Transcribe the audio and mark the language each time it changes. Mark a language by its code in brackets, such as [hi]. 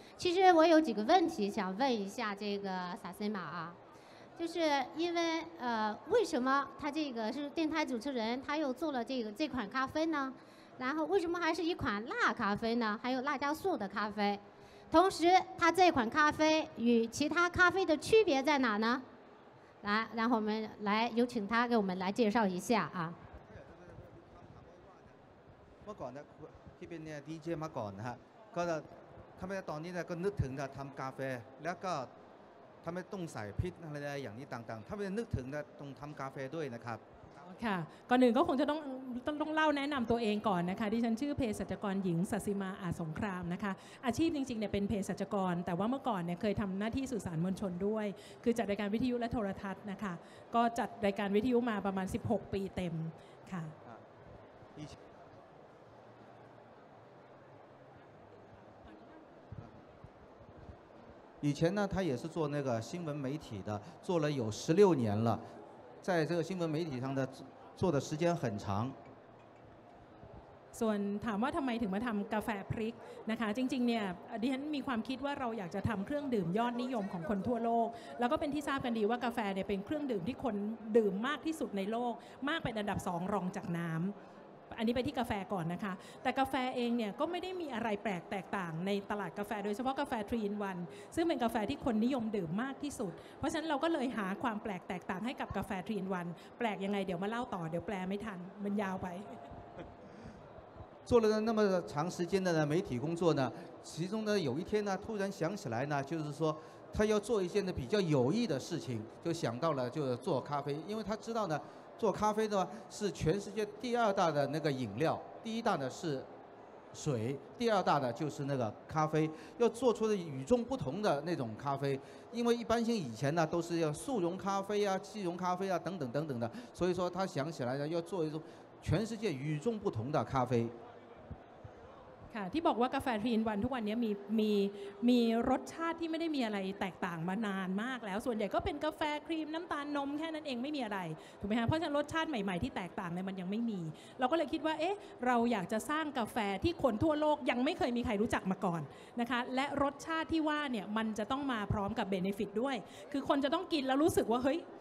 [zh] 其实我有几个问题想问一下这个萨森玛啊，就是因为为什么他这个是电台主持人，他又做了这款咖啡呢？然后为什么还是一款辣咖啡呢？还有辣椒素的咖啡？同时它这款咖啡与其他咖啡的区别在哪呢？来，然后我们来有请他给我们来介绍一下啊。 [th] เมื่อก่อนนะที่เป็นเนี่ยดีเจมาก่อนนะฮะก็ทำไมตอนนี้เนี่ยก็นึกถึงการทำกาแฟแล้วก็ทำไมต้องใส่พิษอะไรอย่างนี้ต่างๆทำไมนึกถึงนะต้องทำกาแฟด้วยนะครับ ค่ะก่อนหนึ่งก็คงจะต้องเล่าแนะนำตัวเองก่อนนะคะดิฉันชื่อเภสัชกรหญิงสัสิมาอาสงครามนะคะอาชีพจริงๆเนี่ยเป็นเภสัชกรแต่ว่าเมื่อก่อนเนี่ยเคยทำหน้าที่สื่อสารมวลชนด้วยคือจัดรายการวิทยุและโทรทัศน์นะคะก็จัดรายการวิทยุมาประมาณ16ปีเต็มค่ะ [zh] อีเชนน่ะ他也是做那个新闻媒体的做了有16年了在这个新闻媒体上的做的时间很长 [th] ส่วนถามว่าทำไมถึงมาทำกาแฟพริกนะคะจริงๆเนี่ยดิฉันมีความคิดว่าเราอยากจะทำเครื่องดื่มยอดนิยมของคนทั่วโลกแล้วก็เป็นที่ทราบกันดีว่ากาแฟเนี่ยเป็นเครื่องดื่มที่คนดื่มมากที่สุดในโลกมากเป็นอันดับ2รองจากน้ำอันนี้ไปที่กาแฟก่อนนะคะแต่กาแฟเองเนี่ยก็ไม่ได้มีอะไรแปลกแตกต่างในตลาดกาแฟโดยเฉพาะกาแฟ3 in 1ซึ่งเป็นกาแฟที่คนนิยมดื่มมากที่สุดเพราะฉะนั้นเราก็เลยหาความแปลกแตกต่างให้กับกาแฟ3 in 1แปลกยังไงเดี๋ยวมาเล่าต่อเดี๋ยวแปลไม่ทันมันยาวไป [zh] 做了那么长时间的媒体工作呢其中呢有一天呢突然想起来呢就是说他要做一件比较有益的事情就想到了就做咖啡因为他知道呢做咖啡的话是全世界第二大的那个饮料第一大的是水第二大的就是那个咖啡要做出的与众不同的那种咖啡因为一般性以前呢都是要速溶咖啡啊即溶咖啡啊等等等等的所以说他想起来要做一种全世界与众不同的咖啡 [th] ค่ะที่บอกว่ากาแฟ3 in 1ทุกวันนี้มีรสชาติที่ไม่ได้มีอะไรแตกต่างมานานมากแล้วส่วนใหญ่ก็เป็นกาแฟครีมน้ำตาลนมแค่นั้นเองไม่มีอะไรถูกไหมฮะเพราะฉะนั้นรสชาติใหม่ๆที่แตกต่างเนี่ยมันยังไม่มีเราก็เลยคิดว่าเอ๊ะเราอยากจะสร้างกาแฟที่คนทั่วโลกยังไม่เคยมีใครรู้จักมาก่อนนะคะและรสชาติที่ว่าเนี่ยมันจะต้องมาพร้อมกับเบเนฟิตด้วยคือคนจะต้องกินแล้วรู้สึกว่าเฮ้ย